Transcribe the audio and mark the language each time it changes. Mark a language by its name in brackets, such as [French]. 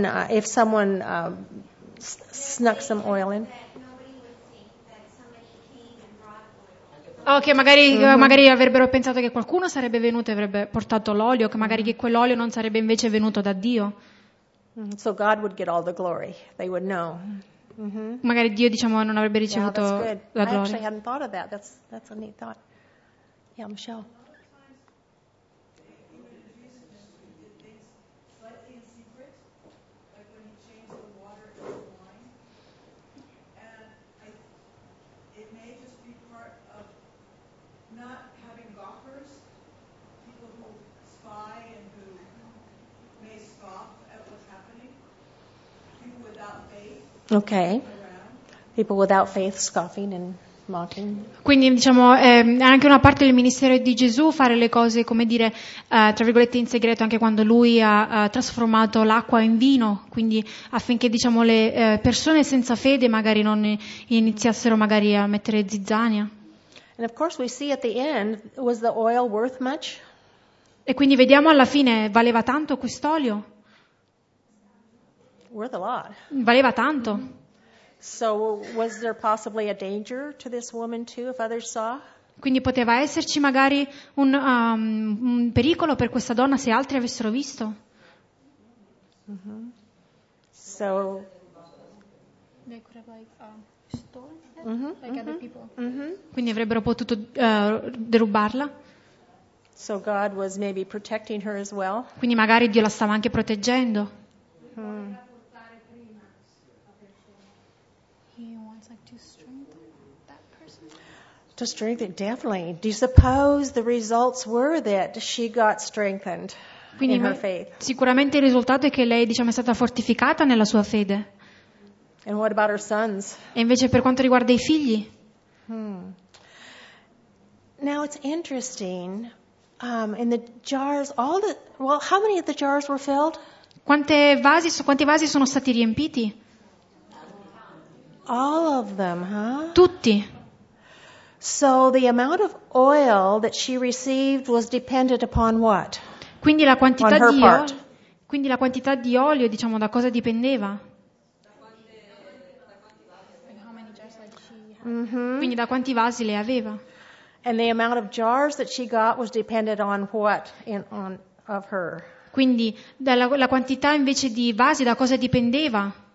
[English] if someone snuck some oil in. [Italian] Ok, magari avrebbero pensato che qualcuno sarebbe venuto e avrebbe portato l'olio, che magari che quell'olio non sarebbe invece venuto da Dio. [English] So God would get all the glory. They would know. Mm-hmm. [Italian] Magari Dio, diciamo, non avrebbe ricevuto la gloria. [English] I actually hadn't thought of that. That's a neat thought. Yeah, Michelle. Okay. People without faith scoffing and mocking. [Italian] Quindi diciamo è anche una parte del ministero di Gesù fare le cose, come dire, tra virgolette in segreto, anche quando lui ha trasformato l'acqua in vino, quindi affinché diciamo le persone senza fede magari non iniziassero magari a mettere zizzania. [English] And of course we see at the end, was the oil worth much? [Italian] E quindi vediamo alla fine, valeva tanto quest'olio? [English] Worth a lot. [Italian] Valeva tanto. [English] So was there possibly a danger to this woman too if others saw? [Italian] Quindi poteva esserci magari un pericolo per questa donna se altri avessero visto? [English] Mm-hmm. So they could have stolen it, other people. Mm-hmm. [Italian] Quindi avrebbero potuto derubarla? [English] So God was maybe protecting her as well. [Italian] Quindi magari Dio la stava anche proteggendo. Mm. [English] To strengthen, definitely. Do you suppose the results were that she got strengthened in her faith? [Italian] Sicuramente il risultato è che lei, diciamo, è stata fortificata nella sua fede. [English] And what about her sons? [Italian] E invece per quanto riguarda i figli? [English] Now it's interesting. In the jars, how many of the jars were filled? [Italian] Quanti vasi sono stati riempiti? [English] All of them, huh? [Italian] Tutti. [English] So the amount of oil that she received was dependent upon what? [Italian] Quindi la quantità di olio. Quindi la quantità di olio, diciamo, da cosa dipendeva? Quindi da quanti vasi le aveva? [English] And the amount of jars that she got was dependent on what in on of her. [Italian] Quindi la quantità invece di vasi da cosa dipendeva?